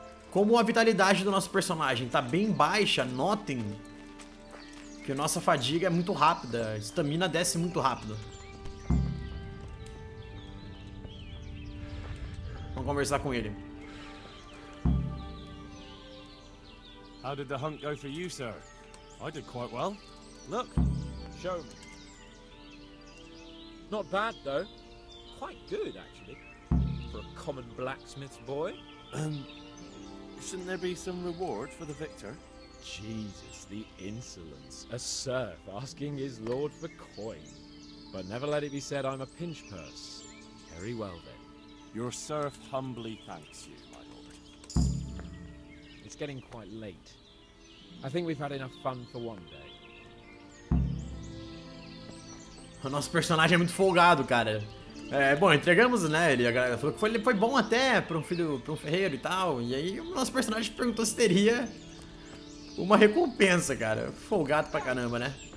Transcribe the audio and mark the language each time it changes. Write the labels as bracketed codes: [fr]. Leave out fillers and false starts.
[pt] Como a vitalidade do nosso personagem tá bem baixa, notem que nossa fadiga é muito rápida, a estamina desce muito rápido. Vamos conversar com ele. [en] How did the hunt go for you, sir? I did quite well. Look. Show me. Not bad, though. Quite good, actually. For a common blacksmith's boy. Shouldn't there be some reward for the victor? Jesus, the insolence. A serf asking his lord for coin. But never let it be said I'm a pinch purse. Very well then. Your serf humbly thanks you, my lord. It's getting quite late. I think we've had enough fun for one day. [pt] O nosso personagem é muito folgado, cara. Bom, entregamos, né? Ele falou que foi bom até para um filho, para um ferreiro e tal. E aí o nosso personagem perguntou se teria uma recompensa, cara. Folgado pra caramba, né?